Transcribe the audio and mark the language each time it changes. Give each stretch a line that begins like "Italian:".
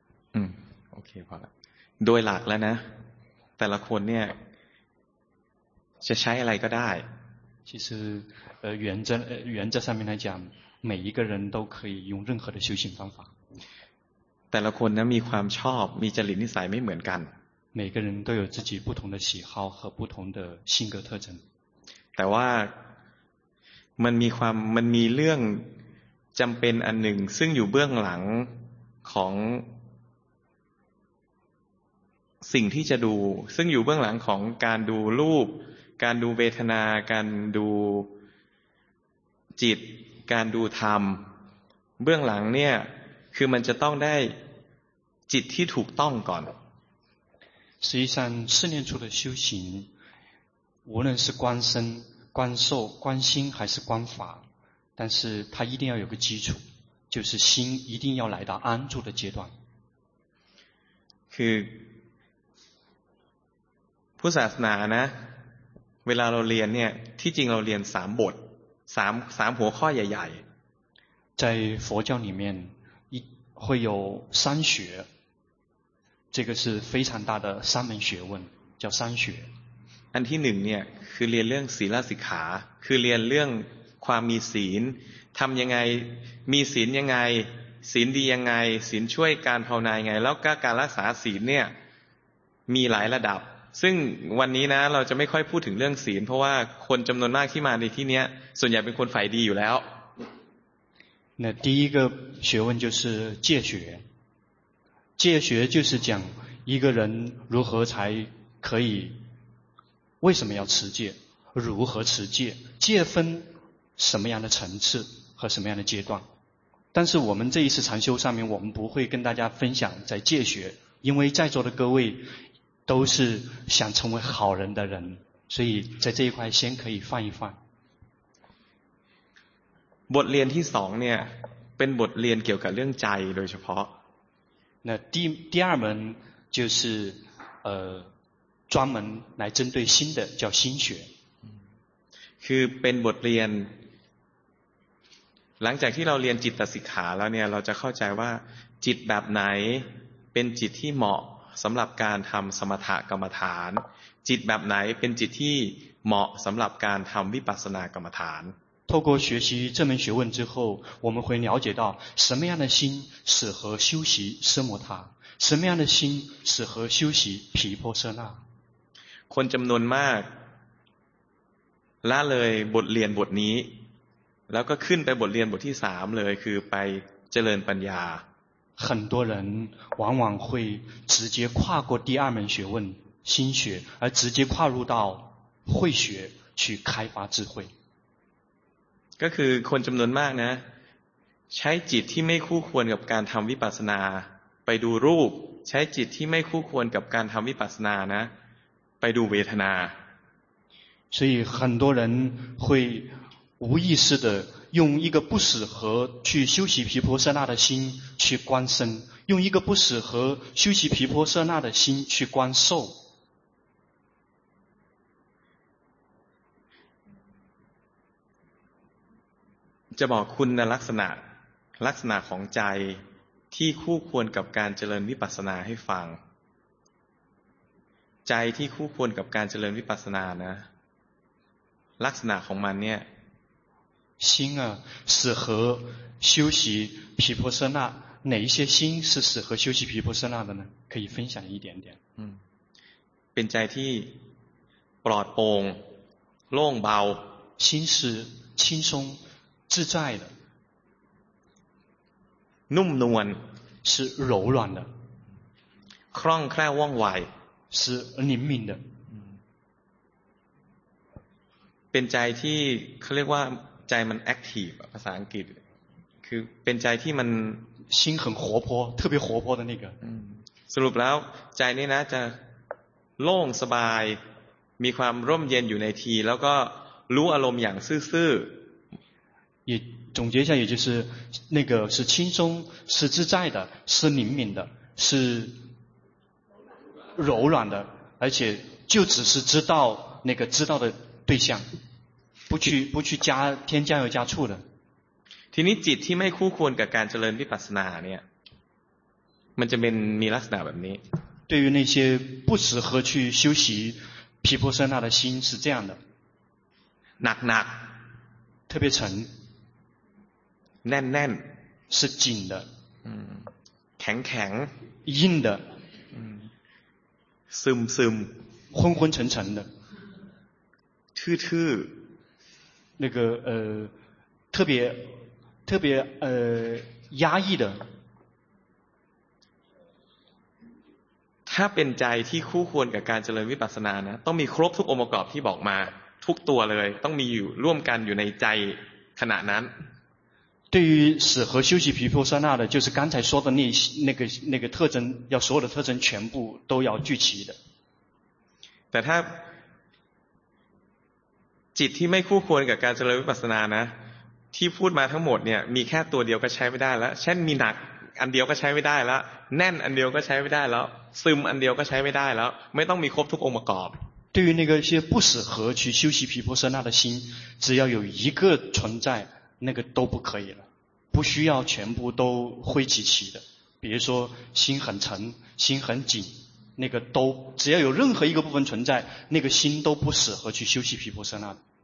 Thai: โอเคพอละโดยหลักแล้วนะแต่ละคนเนี่ยจะใช้อะไรก็ได้
Chinese: 其实原则上面来讲每一个人都可以用任何的修行方法
Thai: แต่ละคนนะมีความชอบมีจริตนิสัยไม่เหมือนกัน
Chinese: 每个人都有自己不同的喜好和不同的性格特征
Thai: แต่ว่ามันมีเรื่องจำเป็นอันหนึ่งซึ่งอยู่เบื้องหลังของสิ่งที่จะดูซึ่งอยู่เบื้องหลังของการดูรูปการดูเวทนาการดูจิตการดูธรรมเบื้องหลังเนี่ยคือมันจะต้องได้จิตที่ถูกต้องก่อน
Chinese: 实际上四念处的修行无论是观身观受观心还是观法但是它一定要有个基础就是心一定要来到安住的阶段
Thai: คือพุทธศาสนานะเวลาเราเรียนเนี่ยที่จริงเราเรียน3บท3หัวข้อใหญ่ๆ
Chinese: ใน佛教里面会有三学这个是非常大的三门学问叫三学
Thai: อันที่1เนี่ยคือเรียนเรื่องศีลสิกขาคือเรียนเรื่องความมีศีลทำยังไงมีศีลยังไงศีลดียังไงศีลช่วยการภาวนายังไงแล้วก็การรักษาศีลเนี่ยมีหลายระดับซึ่งวันนี้นะเราจะไม่ค่อยพูดถึงเรื่องศีลเพราะว่าคนจำนวนมากที่มาในที่นี้ส่วนใหญ่เป็นคนฝ่ายดีอยู่แล้ว
Chinese: 那第一个学问就是戒学戒学就是讲一个人如何才可以为什么要持戒如何持戒戒分什么样的层次和什么样的阶段但是我们这一次禅修上面我们不会跟大家分享在戒学因为在座的各位都是想成为好人的人所以在这一块先可以放一放
Thai: บทเรียนที่สองเนี่ยเป็นบทเรียนเกี่ยวกับเรื่องใจโดยเฉพาะ
Chinese: 那第二门就是专门来针对心的叫心学
Thai: คือเป็นบทเรียนหลังจากที่เราเรียนจิตสิกขาแล้วเนี่ยเราจะเข้าใจว่าจิตแบบไหนเป็นจิตที่เหมาะสำหรับการทำสมถะกรรมฐานจิตแบบไหนเป็นจิตที่เหมาะสำหรับการทำวิปัสสนากรรมฐาน
Chinese: 透过学习这门学问之后我们会了解到什么样的心适合修习奢摩他什么样的心适合修习毗婆舍那
Thai: คนจำนวนมากละเลยบทเรียนบทนี้แล้วก็ขึ้นไปบทเรียนบทที่สามเลยคือไปเจริญปัญญา
Chinese: 很多人往往会直接跨过第二门学问心学而直接跨入到慧学去开发智慧
Thai: ก็คือคนจำนวนมากนะใช้จิตที่ไม่คู่ควรกับการทำวิปัสสนาไปดูรูปใช้จิตที่ไม่คู่ควรกับการทำวิปัสสนานะไปดูเวทนา
Chinese: 所以很多人会无意识的用一个不适合去修习毗婆舍那的心去观身，用一个不适合修习毗婆舍那的心去观受。
Thai: จะบอกคุณลักษณะของใจที่คู่ควรกับการเจริญวิปัสสนาให้ฟังใจที่คู่ควรกับการเจริญวิปัสสนานะลักษณะของมันเนี่ย
Chinese: 心啊适合修习毗婆舍那哪一些心是适合修习毗婆舍那的呢可以分享一点点
Thai: เป็นใจที่ปลอดโปร่งโล่งเบา
Chinese: 心是轻松自在的
Thai: นุ่มนวล
Chinese: 是柔软的
Thai: คล่องแคล่วว่องไว
Chinese: 是灵敏的
Thai: เป็นใจที่เขาเรียกว่าใจมันแอคทีฟภาษาอังกฤษคือเป็นใจที่มัน
Chinese: 心很活泼特别活泼的那个
Thai: สรุปแล้วใจนี้นะจะโล่งสบายมีความร่มเย็นอยู่ในทีแล้วก็รู้อารมณ์อย่างซื่อ
Chinese: 也总结一下也就是那个是轻松是自在的是灵敏的是柔软的而且就只是知道那个知道的对象不去加添加油加醋的
Thai: ทีนี้จิตที่ไม่คู่ควรกับการเจริญวิปัสสนาเนี่ยมันจะเป็นมีลักษณะแบบนี้
Chinese: 对于那些不适合去修习毗婆舍那的心是这样的
Thai: หนักหนัก
Chinese: 特别沉
Thai: แน่นแน่น
Chinese: 是紧的
Thai: แข็งแข็ง
Chinese: 硬的
Thai: ซึมซึม
Chinese: 昏昏沉沉的
Thai: ทื่อๆ
Chinese: 那个特别特别压抑的
Thai: ถ้าเป็นใจที่คู่ควรกับการเจริญวิปัสสนานะต้องมีครบทุกองค์ประกอบที่บอกมาทุกตัวเลยต้องมีอยู่ร่วมกันอยู่ในใจขณะนั้น
Chinese: 对于适合修习毗婆舍那的就是刚才说的那个特征要所有的特征全部都要聚齐的
Thai: แต่ถ้าจิตที่ไม่คู่ควรกับการเจริญวิปัสสนานะที่พูดมาทั้งหมดเนี่ยมีแค่ตัวเดียวก็ใช้ไม่ได้แล้วเช่นมีหนักอันเดียวก็ใช้ไม่ได้แล้วแน่นอันเดียวก็ใช้ไม่ได้แล้วซึมอันเดียวก็ใช้ไม่ได้แล้วไม่ต้องมีครบทุกองค์ประกอบ
Chinese: 对于那个些不适合去修习毗婆舍那的心只要有一个存在那个都不可以了不需要全部都汇集起的比如说心很沉心很紧那个都只要有任何一个部分存在那个心都不适合去修习毗婆舍那的